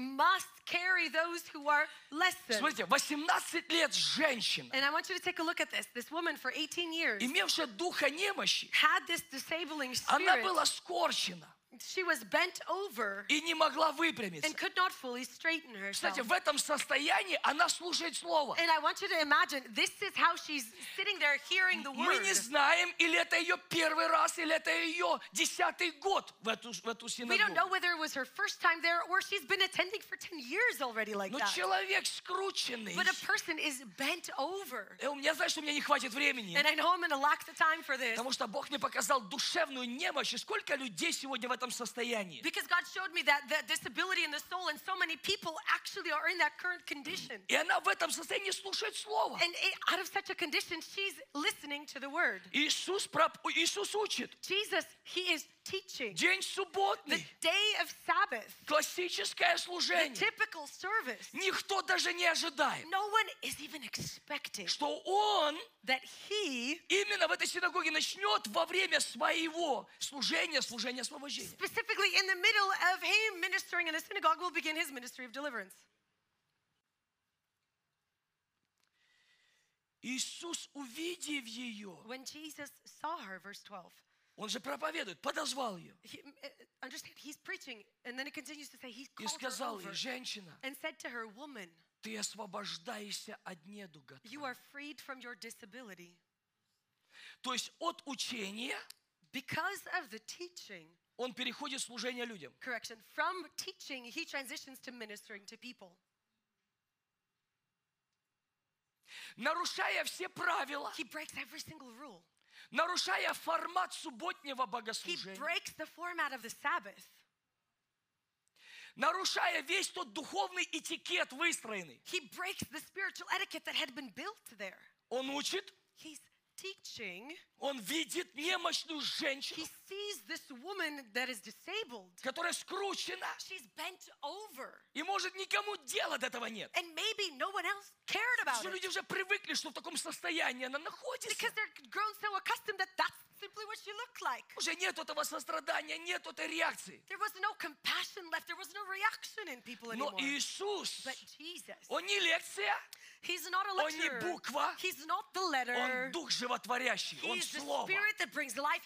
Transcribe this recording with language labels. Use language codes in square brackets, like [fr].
[en] Must carry those who are less than. [ru] Смотрите, 18 лет женщина. [en] And I want you to take a look at this. This woman for 18 years. [ru] Имевшая духа немощи. [en] Had this disabling spirit. [ru] Она была скорчена. [en] She was bent over [ru] и не могла выпрямиться. [en] And could not fully straighten herself. [ru] Кстати, в этом состоянии она слушает слово. [en] And I want you to imagine, this is how she's sitting there hearing the word. [ru] Мы не знаем, или это ее первый раз, или это ее десятый год в эту синагогу. [en] We don't know whether it was her first time there or she's been attending for 10 years already like [ru] Но [en] that. [ru] Но человек скрученный. [en] But a person is bent over. [ru] И я знаю, что у меня не хватит времени. [en] And I know I'm gonna lack the time for this. [ru] Потому что Бог мне показал душевную немощь. И сколько людей сегодня в этом состоянии. [en] Because God showed me that the disability in the soul and so many people actually are in that current condition. [ru] И она в этом состоянии слушает слово. [en] And out of such a condition, she's listening to the word. [ru] Иисус учит. [en] Jesus, he is teaching. [ru] День субботний. [en] The day of Sabbath. [ru] Классическое служение. [en] The typical service. [ru] Никто даже не ожидает. [en] No one is even expecting. [ru] Что он [en] that he [ru] именно в этой синагоге начнет во время своего служения, служения освобождения. [en] Specifically in the middle of him ministering in the synagogue will begin his ministry of deliverance. [ru] Иисус, увидев ее, [en] when Jesus saw her, verse 12, [ru] Он же проповедует, подозвал ее. [en] Understand, he's preaching, and then it continues to say, he called her over. [ru] И сказал ей, женщина, [en] and said to her, woman, [ru] ты освобождаешься от недуга твоего. [en] You are freed from your disability. [ru] То есть от учения, [en] because of the teaching, [ru] он переходит в служение людям. [en] Correction, from teaching, he transitions to ministering to people. [ru] Нарушая все правила, [en] he breaks every single rule. [ru] Нарушая формат субботнего богослужения. [en] He breaks the format of the Sabbath. [ru] Нарушая весь тот духовный этикет выстроенный. [en] He breaks the spiritual etiquette that had been built there. [ru] Он учит. [en] He's teaching. [ru] Он видит немощную женщину. [en] He sees this woman that is disabled. [ru] Которая скручена. [en] She's bent over. [ru] И может никому дела до этого нет. [en] And maybe no one else cared about it. [ru] Что люди уже привыкли, что в таком состоянии она находится. [en] Because they're grown so accustomed that that's simply what she looked like. [ru] Уже нет этого сострадания, нет этой реакции. [en] There was no compassion left. There was no reaction in people anymore. [ru] Но Иисус. [en] But Jesus. [ru] Он не лекция. [en] He's not a lecturer. [ru] Он не буква. [en] He's not the letter. [ru] Он дух животворящий. [en] He is the spirit that brings life.